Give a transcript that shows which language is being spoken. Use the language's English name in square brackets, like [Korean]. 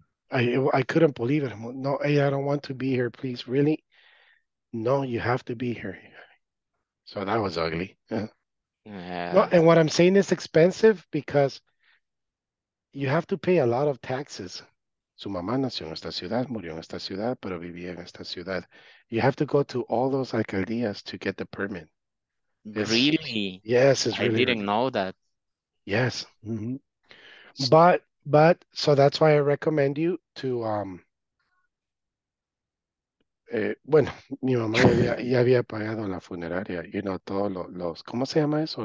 [English] I couldn't believe it. No, hey, I don't want to be here, please. Really? No, you have to be here. So that was ugly. Yeah. No, and what I'm saying is expensive, because you have to pay a lot of taxes. [Spanish] Su mamá nació en esta ciudad, murió en esta ciudad, pero vivía en esta ciudad. [English] You have to go to all those alcaldías to get the permit. Really? Yes, it's really. I didn't know that. Yes. Mm-hmm. But so that's why I recommend you to [Spanish] Bueno, mi mamá ya había pagado la funeraria, you know, todos los, ¿cómo se llama eso?